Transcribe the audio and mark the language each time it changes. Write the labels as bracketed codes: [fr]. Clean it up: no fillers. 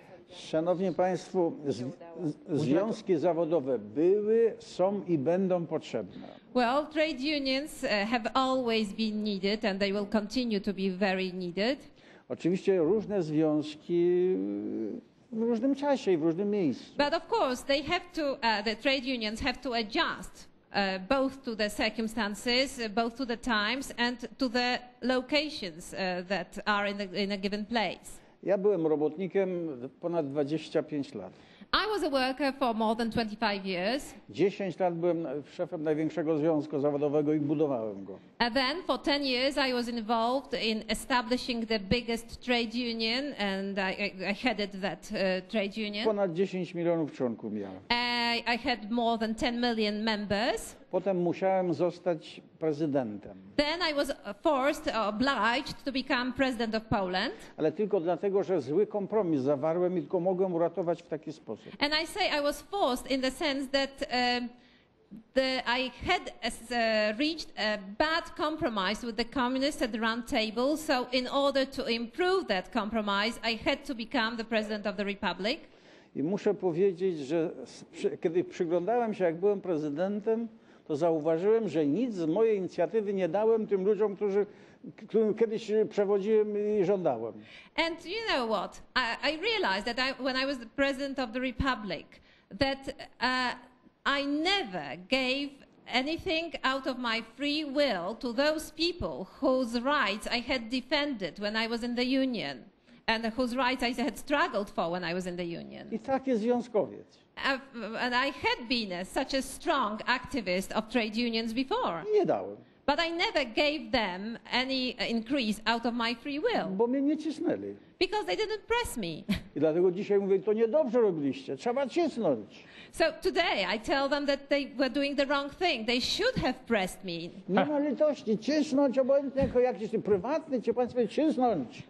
[pl] Szanowni Państwo, związki zawodowe były, są i będą potrzebne. [en] Well, trade unions have always been needed and they will continue to be very needed. [pl] Oczywiście różne związki w różnym czasie i w różnym miejscu. [en] But of course, they have to, the trade unions have to adjust both to the circumstances, both to the times and to the locations that are in a given place. [pl] Ja byłem robotnikiem ponad 25 lat. [en] I was a worker for more than 25 years. [pl] 10 lat byłem szefem największego związku zawodowego i budowałem go. [en] And then for 10 years I was involved in establishing the biggest trade union and I headed that trade union. [pl] Ponad 10 milionów członków miałem. [en] I had more than 10 million members. [pl] Potem musiałem zostać prezydentem. [en] Then I was forced, obliged to become president of Poland. [pl] Ale tylko dlatego, że zły kompromis zawarłem i tylko mogłem uratować w taki sposób. [en] And I say I was forced in the sense that I had reached a bad compromise with the communists at the round table, so in order to improve that compromise, I had to become the president of the republic. [pl] I muszę powiedzieć, że kiedy przyglądałem się, jak byłem prezydentem, to zauważyłem, że nic z mojej inicjatywy nie dałem tym ludziom, którym kiedyś przewodziłem i żądałem. [en] And you know what? I realized that when I was the president of the republic, that I never gave anything out of my free will to those people whose rights I had defended when I was in the union and whose rights I had struggled for when I was in the union. [pl] I tak jest związkowiec. [en] And I had been such a strong activist of trade unions before. [pl] Nie dałem. [en] But I never gave them any increase out of my free will. [pl] Bo mnie nie cisnęli. [en] Because they didn't press me. [pl] I dlatego dzisiaj mówię, to niedobrze robiliście, trzeba cisnąć. [en] So today I tell them that they were doing the wrong thing. They should have pressed me. [pl] Nie ma litości, cisnąć obojętnie, jak jesteś prywatny, czy państwo cisnąć.